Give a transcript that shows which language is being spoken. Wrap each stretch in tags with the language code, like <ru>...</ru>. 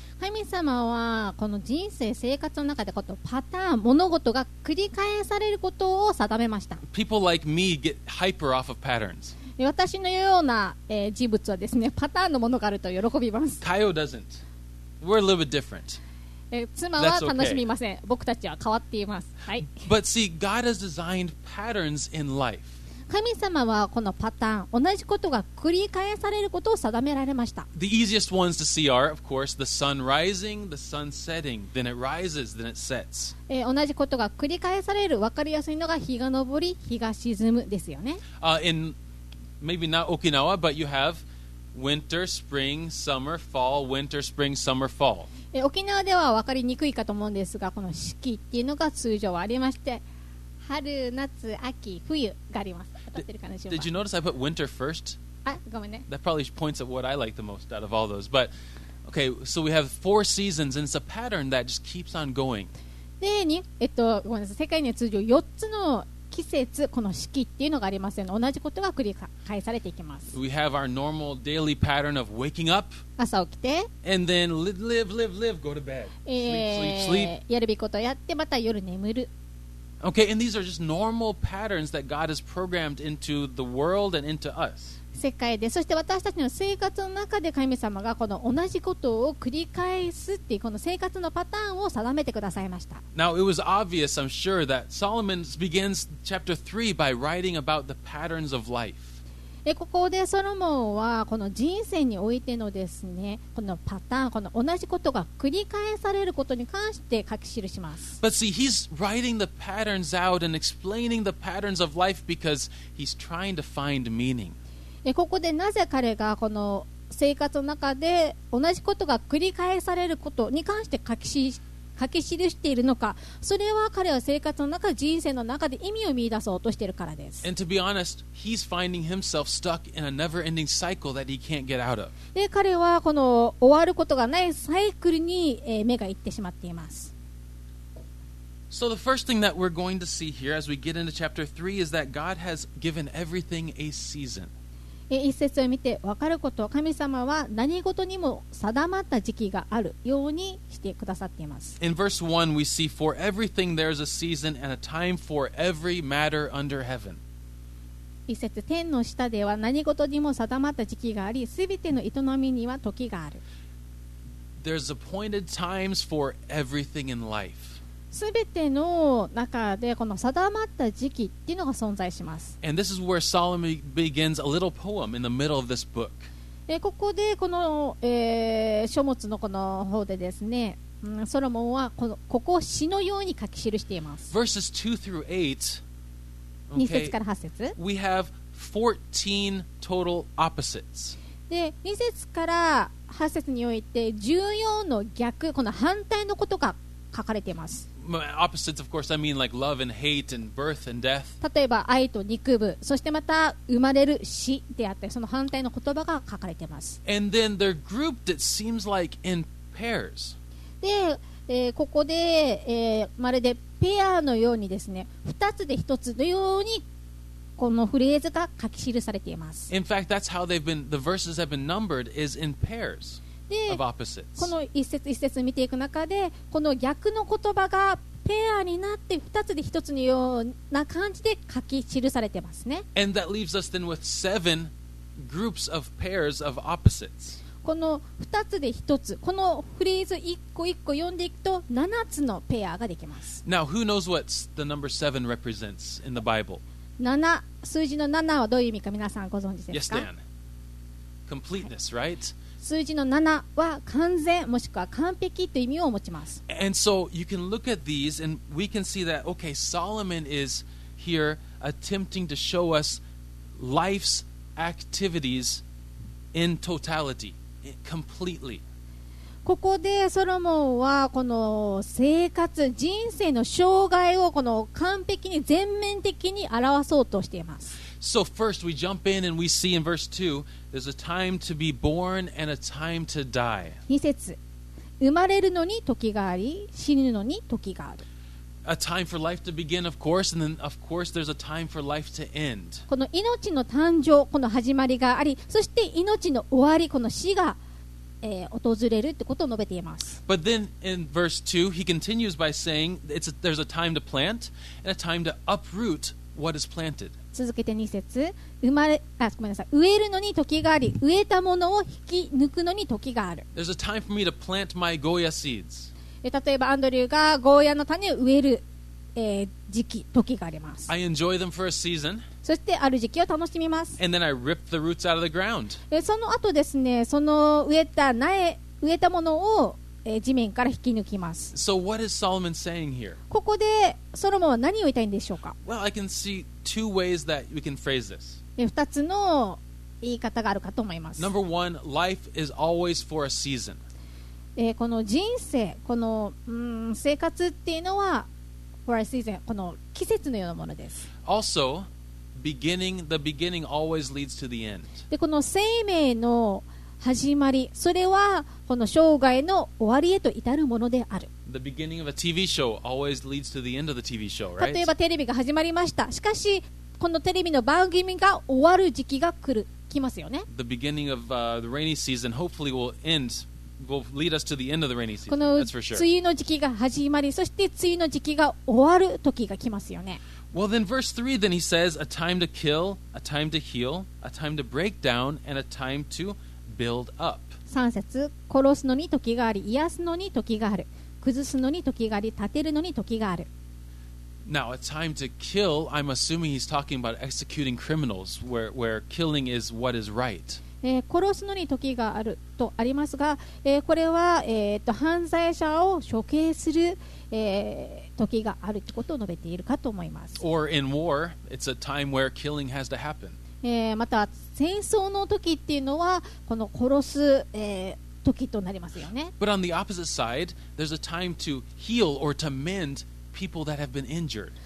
<ja>神様はこの人生生活の中でことパターン物事が繰り返されることを定めました。</ja> <en>People like me get hyper off of patterns.</en> <ja>私のような、人物はですね、パターンのものがあると喜びます。</ja> <en>Kyo doesn't. We're a little bit different.</en> <ja>妻は楽しみません。僕たちは変わっています。はい。</ja> <en>But see, God has designed patterns in life.</en> <ja>神様はこのパターン、同じことが繰り返されることを定められました。</ja> <en>The easiest ones to see are, of course, the sun rising, the sun setting, then it rises, then it sets.</en> <ja>同じことが繰り返される、分かりやすいのが日が昇り、日が沈むですよね。</ja> <en>In maybe not Okinawa, but you have winter, spring, summer, fall, winter, spring, summer, fall.</en> <ja>沖縄では分かりにくいかと思うんですが、この四季っていうのが通常はありまして、春、夏、秋、冬があります。</ja> <en>Did you notice I put winter first? That probably points at what I like the most out of all those. But okay, so we have four seasons, and it's a pattern that just keeps on going.</en> <ja>で、ごめんなさい。世界には通常4つの季節、この四季っていうのがありますよね。同じことが繰り返されていきます。</ja> <en>We have our normal daily pattern of waking up.</en> <ja>朝起きて。</ja> <en>And then live, go to bed. Sleep.</en> <ja>やるべきことをやって、また夜眠る。</ja> <en>Okay, and these are just normal patterns that God has programmed into the world and into us.</en> <ja>世界で、そして私たちの生活の中で神様がこの同じことを繰り返すっていうこの生活のパターンを定めてくださいました。</ja> <en>Now, it was obvious, I'm sure, that Solomon begins chapter 3 by writing about the patterns of life.</en> <ja>ここでソロモンはこの人生においてのですね、このパターン、この同じことが繰り返されることに関して書き記します。</ja> <en>But see, he's writing the patterns out and explaining the patterns of life because he's trying to find meaning.</en> <ja>ここでなぜ彼がこの生活の中で同じことが繰り返されることに関して書き記しているのか、それは彼は生活の中、人生の中で意味を見出そうとしているからです。</ja> <en>And to be honest, he's finding himself stuck in a never-ending cycle that he can't get out of.</en> <ja>で、彼はこの終わることがないサイクルに目が行ってしまっています。</ja> <en>So the first thing that we're going to see here as we get into chapter 3 is that God has given everything a season.</en> <ja>一節を見て分かること、神様は何事にも定まった時期があるようにしてくださっています。</ja> <en>In verse 1, we see, for everything there is a season and a time for every matter under heaven.</en> <ja>一節、天の下では何事にも定まった時期があり、すべての営みには時がある。</ja> <en>There's appointed times for everything in life.</en> <ja>すべての中でこの定まった時期っていうのが存在します。</ja> <en>And this is where Solomon begins a little poem in the middle of this book.</en> <ja>ここでこの、書物のこの方でですね、ソロモンはここを詩のように書き記しています。</ja> <en>Verses 2 through 8,</en> <ja>okay, 2節から8節</ja> <en>We have 14 total opposites.</en> <ja>で2節から8節において14の逆、この反対のことが書かれています。</ja> <en>Opposites, of course, I mean like love and hate and birth and death.</en> <ja>例えば愛と憎む、そしてまた生まれる死であって、その反対の言葉が書かれています。</ja> <en>And then they're grouped, it seems like, in pairs.</en> <ja>で、ここで、まるでペアのようにですね、二つで一つのようにこのフレーズが書き記されています。</ja> <en>In fact, that's how they've been, the verses have been numbered, is in pairs.</en> <ja>でこの一節一節見ていく中で、この逆の言葉がペアになって二つで一つのような感じで書き記されてますね。</ja> <en>And that leaves us then with seven groups of pairs of opposites.</en> <ja>この二つで一つ、このフレーズ一個一個読んでいくと七つのペアができます。</ja> <en>Now who knows what the number seven represents in the Bible?</en> <ja>七、数字の七はどういう意味か皆さんご存知ですか</ja> <en>？Yes, Dan. Completeness, right?</en> <ja>数字の7は完全もしくは完璧という意味を持ちます。</ja> <en>And so you can look at these and we can see that, okay, Solomon is here attempting to show us life's activities in totality, completely.</en> <ja>ここでソロモンはこの生活、人生の生涯をこの完璧に全面的に表そうとしています。</ja> <en>So first we jump in and we see in verse 2 there's a time to be born and a time to die.</en> <ja>2節、生まれるのに時があり、死ぬのに時がある。</ja> <en>A time for life to begin, of course, and then of course there's a time for life to end.</en> <ja>この命の誕生、この始まりがあり、そして命の終わり、この死が、訪れるってことを述べています。</ja> <en>But then in verse 2 he continues by saying there's a time to plant and a time to uproot what is planted.</en> <ja>続けて2節、ごめんなさい、植えるのに時があり、植えたものを引き抜くのに時がある。</ja> <en>There's a time for me to plant my Goya seeds.</en> <ja>例えばアンドリューがゴーヤの種を植える、時期、時があります。</ja> <en>I enjoy them for a season.</en> <ja>そしてある時期を楽しみます。</ja> <en>And then I rip the roots out of the ground.</en> <ja>その後ですね、その植えた苗、植えたものを、地面から引き抜きます。</ja> <en>So what is Solomon saying here?</en> <ja>ここでソロモンは何を言いたいんでしょうか。</ja> <en>Well, I can see two ways that we can phrase this.</en> <ja>二つの言い方があるかと思います。</ja> <en>Number one, life is always for a season.</en> <ja>この人生、この、生活っていうのは</ja> <en>for a season、</en> <ja>この季節のようなものです。</ja> <en>Also, beginning, the beginning always leads to the end.</en> <ja>でこの生命の始まり、それはこの生涯の終わりへと至るものである。例えばテレビが始まりました。しかしこのテレビの番組が終わる時期が来る、来ますよね。</ja> <en>The beginning of, the rainy season hopefully will end, will lead us to the end of the rainy season.</en> <ja>この梅雨の時期が始まり、そして梅雨の時期が終わる時が来ますよね。</ja> <en>Well, then verse 3, then he says, a time to kill, a time to heal, a time to break down, and a time to build up.</en> <ja>3節、殺すのに時があり、癒すのに時がある。崩すのに時があり、立てるのに時がある。</ja> <en>Now, a time to kill, I'm assuming he's talking about executing criminals, where killing is what is right.</en> <ja>殺すのに時があるとありますが、これは、犯罪者を処刑する、時があるということを述べているかと思います。</ja> <en>Or in war, it's a time where killing has to happen.</en> <ja>また戦争の時っていうのはこの殺す、時となりますよね。</ja> <en>But on the opposite side, there's a time to heal or to mend people that have been injured.</en>